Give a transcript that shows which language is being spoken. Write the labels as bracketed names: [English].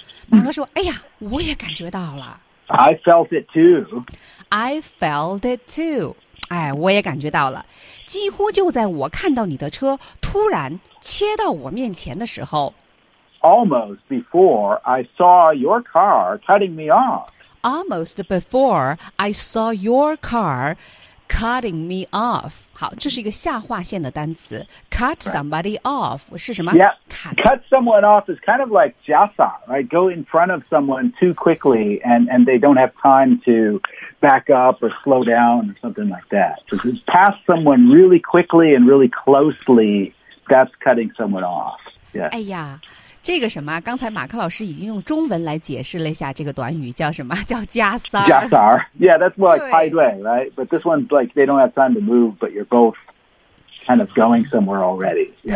[Chinese] 马哥说：“哎呀，我也感觉到了。” [English] I felt it too. I felt it too. [Chinese] 哎，我也感觉到了。几乎就在我看到你的车突然切到我面前的时候。 [English] Almost before I saw your car cutting me off. Almost before I saw your car cutting me off. [Chinese] 好，这是一个下划线的单词 [English] Cut somebody off [Chinese] 是什么 [English] Yeah, cut someone off is kind of like [Chinese] 加塞 [English] right? Go in front of someone too quickly and they don't have time to back up or slow down or something like that. So pass someone really quickly and really closely, that's cutting someone off. Yeah. [Chinese] 哎呀这个什么刚才马克老师已经用中文来解释了一下这个短语叫什么叫加塞儿。加塞 [English] 儿 Yeah, that's more like highway, right? But this one's like, they don't have time to move, but you're both kind of going somewhere already.、Yeah.